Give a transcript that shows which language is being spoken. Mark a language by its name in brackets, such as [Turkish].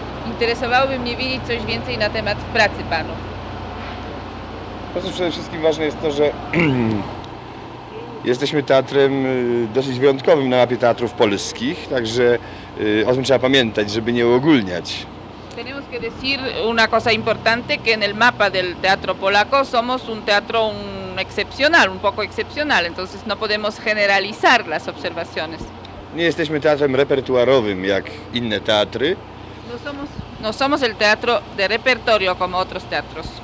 [Polish] Interesowałoby mnie wiedzieć coś więcej na temat pracy panów. To, co przede wszystkim ważne jest to, że jesteśmy teatrem dosyć wyjątkowym na mapie teatrów polskich, także o tym trzeba pamiętać, żeby nie uogólniać. [Spanish] Tenemos que decir una cosa importante, que en el mapa del teatro polaco somos un teatro excepcional, un poco excepcional, entonces no podemos generalizar las observaciones. [Polish] Nie jesteśmy teatrem repertuarowym, jak inne teatry. [Spanish] No somos el teatro de repertorio como otros teatros.